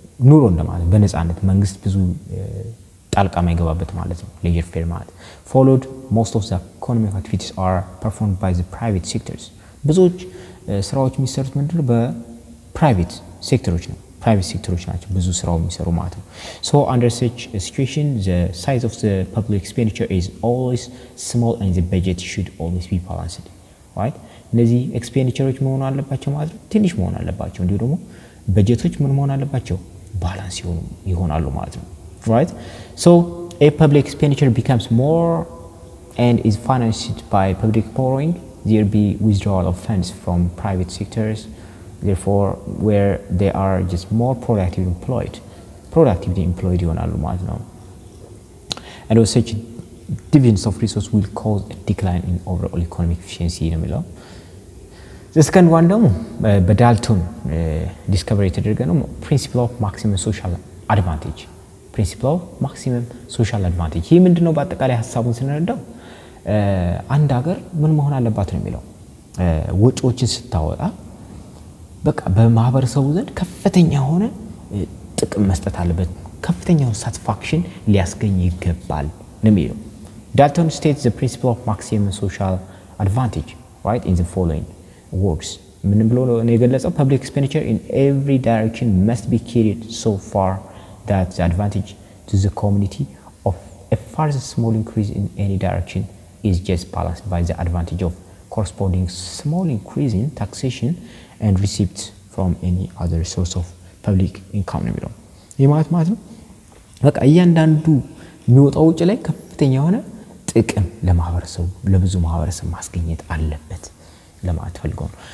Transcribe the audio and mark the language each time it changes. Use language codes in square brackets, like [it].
[am] ኑሮ እንደማለት በነፃነት መንግስት ብዙ ጣልቃ ማይገባበት ማለት ነው leisure fare ማለት [en] followed most of the economic activities are performed by the private sectors [am] ብዙዎች ስራዎች የሚሰሩት ምንድነው በ private sectorዎች ነው private sectors ናቸው ብዙ ስራው የሚሰሩ ማለት ነው. [en] So under such a situation, the size of the public expenditure is always small and the budget should always be balanced. Right? [am] እነዚህ ኤክስፔንዲቸሮች መሆን አለባቸው ማለት ነው ትንሽ መሆን አለባቸው እንዴ ደግሞ በጀቶች ምን መሆን አለባቸው ባላንስ ይሆኑ ይሆናሉ ማለት ነው. [en] Right? So a public expenditure becomes more and is financed by public borrowing, there be withdrawal of funds from private sectors, therefore where they are just more productively employed. Productively employed [am] ይሆናሉ ማለት ነው. [en] And also such divisions of resources will cause a decline in overall economic efficiency [am] ነው የሚለው. [en] The second one [am] ደግሞ በዳልቶን ዲስከቨሪ የተደረገ ነው. [en] Principle of maximum social advantage. Principle of maximum social advantage. [am] ይህ ምንድን ነው በአጠቃላይ ሀሳቡን ስንረዳው? አንድ ሀገር ምን መሆን አለባት ነው የሚለው ወጪዎችን ስታወጣ በቃ በማህበረሰቡ ዘንድ ከፍተኛ የሆነ ጥቅም መስጠት አለበት ከፍተኛ የሆነ ሳትስፋክሽን ሊያስገኝ ይገባል ነው የሚለው. [en] Dalton states the principle of maximum social advantage, right, in the following words. [am] ምንም ብሎ ነው የገለጸው [en] public expenditure in every direction must be carried so far that the advantage to the community of a far small increase in any direction is just balanced by the advantage of corresponding small increase in taxation and receipts from any other source of public income. [am] ነው የሚለው ይማት ማለት ነው በቃ እያንዳንዱ የሚወጣው ወጪ ላይ ከፍተኛ የሆነ ጥቅም ለማህበረሰቡ ለብዙ ማህበረሰብ ማስገኘት አለበት ለማለት ፈልጎ ነው.